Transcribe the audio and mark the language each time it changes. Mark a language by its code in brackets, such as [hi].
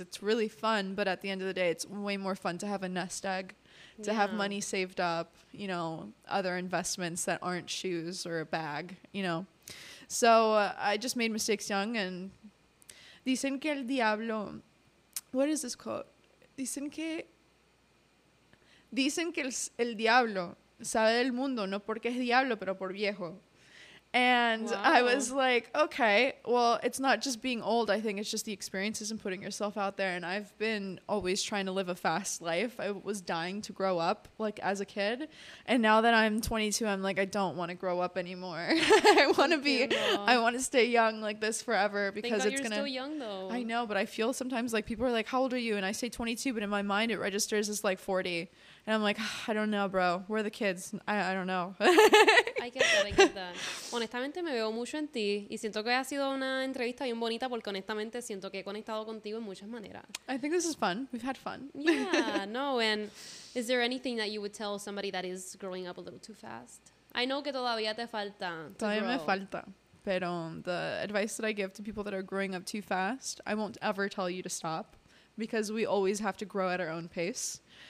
[en] It's really fun, but at the end of the day, it's way more fun to have a nest egg, to have money saved up, you know, other investments that aren't shoes or a bag, you know. So I just made mistakes young, and [es] dicen que el diablo, [en] what is this quote? [es] Dicen que el diablo sabe del mundo, no porque es diablo, pero por viejo. [en] And wow. I was like, okay, well, it's not just being old. I think it's just the experiences and putting yourself out there. And I've been always trying to live a fast life. I was dying to grow up, like, as a kid. And now that I'm 22, I'm like, I don't want to grow up anymore. I want to stay young like this forever. Because it's gonna. You're still young, though. I know, but I feel sometimes like people are like, how old are you? And I say 22, but in my mind, it registers as like 40. And I'm like, I don't know, bro. Where are the kids? I don't know. I get that. [es] Honestamente, me veo mucho en ti. Y siento que ha sido una entrevista bien bonita porque honestamente siento que he conectado contigo en muchas maneras. [en] I think this is fun. We've had fun. Yeah, no. And is there anything that you would tell somebody that is growing up a little too fast? I know [es] que todavía te falta. Todavía me falta. Pero [en] the advice that I give to people that are growing up too fast, I won't ever tell you to stop because we always have to grow at our own pace.